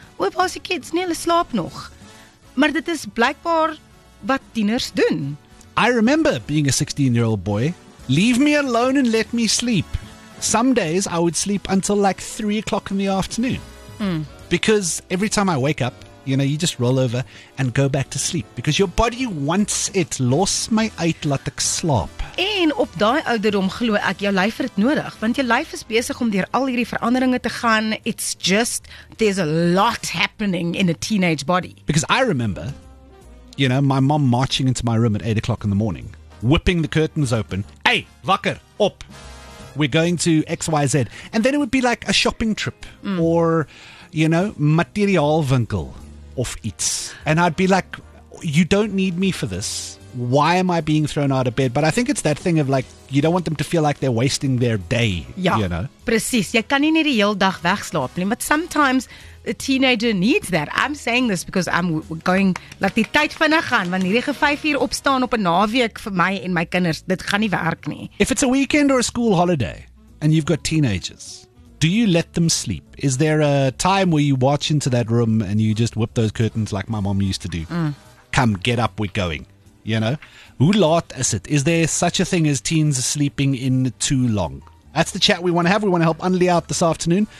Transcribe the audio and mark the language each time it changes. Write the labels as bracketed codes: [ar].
[af] Oop, as die kids, nee, hulle slaap nog. Maar dit is blykbaar wat tieners doen. [en] I remember being a 16-year-old boy. Leave me alone and let me sleep. Some days I would sleep until like 3 o'clock in the afternoon. Because every time I wake up, you know, you just roll over and go back to sleep. Because your body wants it. [af] Los my uit, laat ek slaap. En op daai ouderdom glo ek, jou lyf het nodig. Want jou lyf is besig om deur al hierdie veranderinge te gaan. [en] It's just, there's a lot happening in a teenage body. Because I remember, you know, my mom marching into my room at 8 o'clock in the morning, whipping the curtains open. [af] Hey, wakker, op. [en] We're going to XYZ. And then it would be like a shopping trip or, you know, [af] materiaalwinkel of iets. [en] And I'd be like, you don't need me for this. Why am I being thrown out of bed? But I think it's that thing of like, you don't want them to feel like they're wasting their day, [af] ja, [en] you know. [af] Precies. Jy kan nie net die heel dag wegslaap nie. [en] But sometimes a teenager needs that. I'm saying this because I'm going, [af] laat die tyd vinnig gaan. Want hierdie ge 5 uur opstaan op 'n naweek vir my en my kinders, dit gaan nie werk nie. [en] If it's a weekend or a school holiday and you've got teenagers, do you let them sleep? Is there a time where you watch into that room and you just whip those curtains like my mom used to do? Come, get up, we're going. You know, [af] hoe laat [en] is it? Is there such a thing as teens sleeping in too long? That's the chat we want to have. We want to help Annelie out this afternoon.